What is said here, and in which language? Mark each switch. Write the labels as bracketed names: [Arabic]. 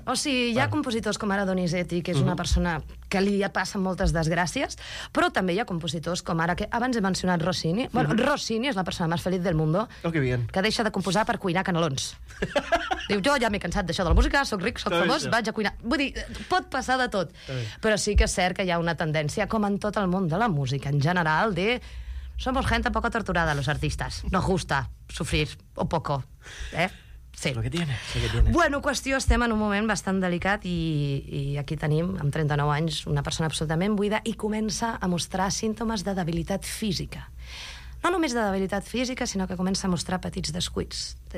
[Catalan] O sigui, hi ha compositors com ara Donizetti, que és una persona que li passen moltes desgràcies, però també hi ha compositors com ara, que abans he mencionat Rossini. Bueno, Rossini és la persona més feliç [Spanish] del mundo. Oh, que bien. [Catalan] Que deixa de composar per cuinar canelons. Diu, jo ja m'he cansat d'això de la música, soc ric, soc famós, vaig a cuinar. Vull dir, pot passar de tot. Però sí que és cert que hi ha una tendència, com en tot el món de la música en general, de... [Spanish] Somos gente poco torturada, los artistas. No gusta sufrir, o poco. Sí. Lo que tiene, lo que tiene. [Catalan] Bueno, qüestió, estem en un moment bastant delicat i aquí tenim, amb 39 anys, una persona absolutament buida i comença a mostrar símptomes de debilitat física. No només de debilitat física, sinó que comença a mostrar petits descuits.